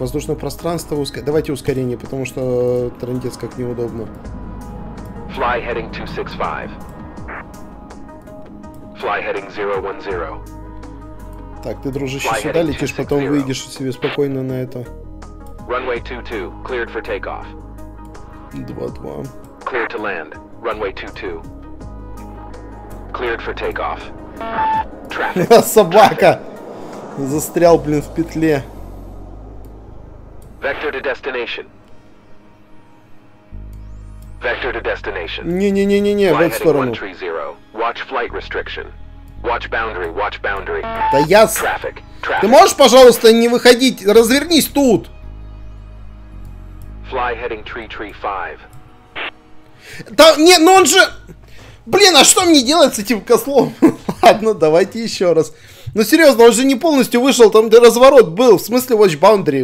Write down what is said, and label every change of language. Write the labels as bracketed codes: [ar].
[ru] Воздушное пространство. Давайте ускорение, потому что трындец как неудобно. [en] Fly heading 265. Fly heading 010. [ru] Так, ты, дружище, сюда летишь, потом выйдешь себе спокойно на это. [en] Runway 22, cleared for takeoff. 22. Cleared to land. Runway 22. Cleared for takeoff. Traffic. Собака! [ru] Застрял, блин, в петле. [en] Vector to destination. Vector to destination. [ru] Не-не-не-не-не, в эту сторону. [en] 130. Watch flight restriction. Watch boundary, watch boundary. [ru] Да я... [en] Traffic, traffic. [ru] Ты можешь, пожалуйста, не выходить? Развернись тут! [en] Fly heading 335. [ru] Да, не, ну он же... Блин, а что мне делать с этим козлом? Ладно, давайте еще раз. Ну серьезно, он же не полностью вышел, там разворот был. В смысле Watch Boundary?